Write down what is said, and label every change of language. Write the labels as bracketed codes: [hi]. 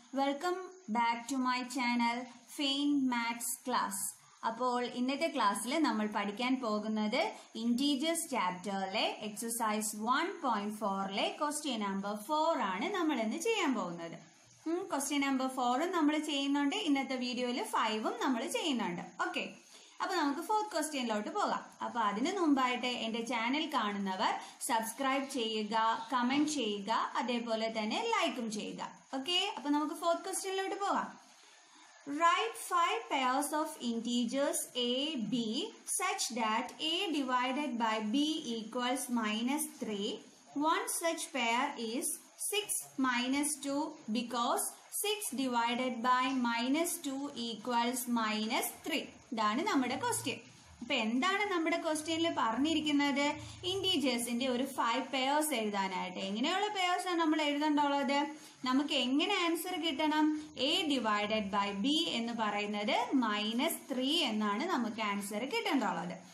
[en] Welcome back to my channel, Fane Maths Class. [ml] അപ്പോൾ ഇന്നത്തെ ക്ലാസ്സിൽ നമ്മൾ പഠിക്കാൻ പോകുന്നത് ഇൻറ്റീജേഴ്സ് ചാപ്റ്ററിലെ എക്സസൈസ് 1.4 ക്വസ്റ്റ്യൻ നമ്പർ 4 ആണ് നമ്മൾ ഇന്ന് ചെയ്യാൻ പോകുന്നത്. ക്വസ്റ്റ്യൻ നമ്പർ 4 നമ്മൾ ചെയ്യുന്നുണ്ട്, ഇന്നത്തെ വീഡിയോയിൽ 5 നമ്മൾ ചെയ്യുന്നുണ്ട്. ഓക്കെ, അപ്പൊ നമുക്ക് ഫോർത്ത് ക്വസ്റ്റ്യനിലോട്ട് പോകാം. അപ്പൊ അതിനു മുമ്പായിട്ട് എന്റെ ചാനൽ കാണുന്നവർ സബ്സ്ക്രൈബ് ചെയ്യുക, കമന്റ് ചെയ്യുക, അതേപോലെ തന്നെ ലൈക്കും ചെയ്യുക. ഓക്കെ, അപ്പൊ നമുക്ക് ഫോർത്ത് ക്വസ്റ്റ്യനിലോട്ട് പോകാം. [en] Write 5 pairs of integers a, b such that a divided by b equals minus 3. One such pair is 6 minus 2 because 6 divided by minus 2 equals minus 3. [ml] ഇതാണ് നമ്മുടെ ക്വസ്റ്റ്യൻ. അപ്പൊ എന്താണ് നമ്മുടെ ക്വസ്റ്റ്യനിൽ പറഞ്ഞിരിക്കുന്നത്? ഇൻറ്റീജേഴ്സിന്റെ ഒരു 5 പെയർസ് എഴുതാനായിട്ട്. എങ്ങനെയുള്ള പെയർസ് ആണ് നമ്മൾ എഴുതേണ്ടത്? നമുക്ക് എങ്ങനെ ആൻസർ കിട്ടണം? എ ഡിവൈഡഡ് ബൈ ബി എന്ന് പറയുന്നത് മൈനസ് 3 എന്നാണ് നമുക്ക് ആൻസർ കിട്ടേണ്ടത്.